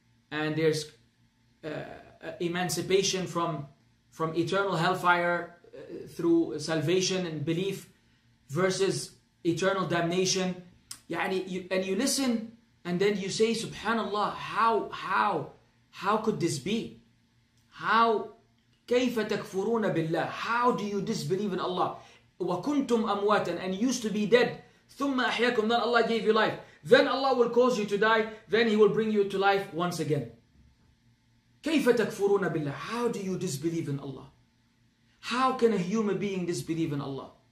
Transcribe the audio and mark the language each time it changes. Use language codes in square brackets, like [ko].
[en] And there's emancipation from eternal hellfire through salvation and belief versus eternal damnation. And you listen and then you say, Subhanallah, how could this be? [ar] How, كيف تكفرون بالله? [en] How do you disbelieve in Allah? [ar] وَكُنْتُمْ أَمْوَاتًا [en] And used to be dead. [ar] ثُمَّ أَحْيَاكُمْ [en] Then Allah gave you life. Then Allah will cause you to die. Then He will bring you to life once again. [ar] كيف تكفرون بالله? [en] How do you disbelieve in Allah? How can a human being disbelieve in Allah?